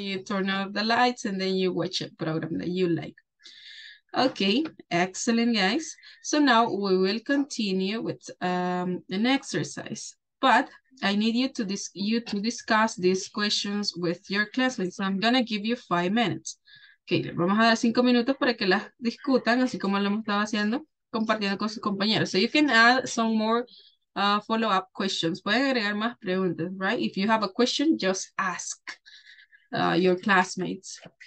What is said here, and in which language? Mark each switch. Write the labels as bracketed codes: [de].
[en] You turn off the lights and then you watch a program that you like. Okay, excellent, guys. So now we will continue with an exercise. But I need you to discuss these questions with your classmates. So I'm gonna give you 5 minutes. [es] Okay, vamos a dar 5 minutos para que las discutan, así como lo hemos estado haciendo, compartiendo con sus compañeros. [en] So you can add some more follow-up questions. [es] Pueden agregar más preguntas, [en] right? If you have a question, just ask your classmates.